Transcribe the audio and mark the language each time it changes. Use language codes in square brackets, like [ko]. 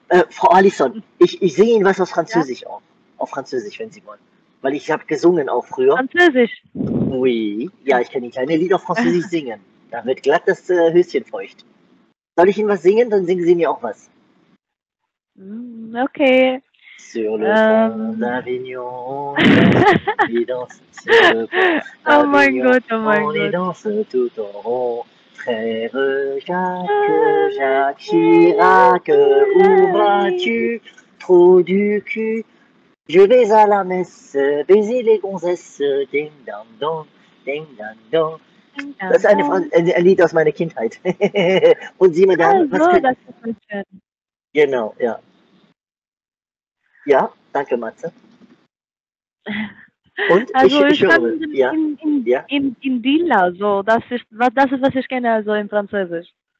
[de] Frau Allison, ich singe Ihnen was aus Französisch auch. Auf Französisch, wenn Sie wollen. Weil ich habe gesungen auch früher. Französisch? [fr] Oui. [de] Ja, ich kann Ihnen kleine Lieder auf Französisch singen. Da wird glatt das Höschen feucht. Soll ich Ihnen was singen? Dann singen Sie mir auch was. Okay. [fr] Sur le fond d'Avignon, ils dansent sur le pont d'Avignon. [en] Oh my God, oh my God. [fr] On les danse tout en rond. Frère Jacques, Jacques Chirac, où vas-tu? Trou du cul. Je vais à la messe, baiser les gonzesses. Ding dong dong, ding dong dong. [de] Das ist eine Frage, ein Lied aus meiner Kindheit. Und Sie, Madame, also, was können... Das ist schön. Genau, ja. Ja, danke, Matze. Und also ich höre, in Dilla, so, das ist, was ich kenne, also in Französisch.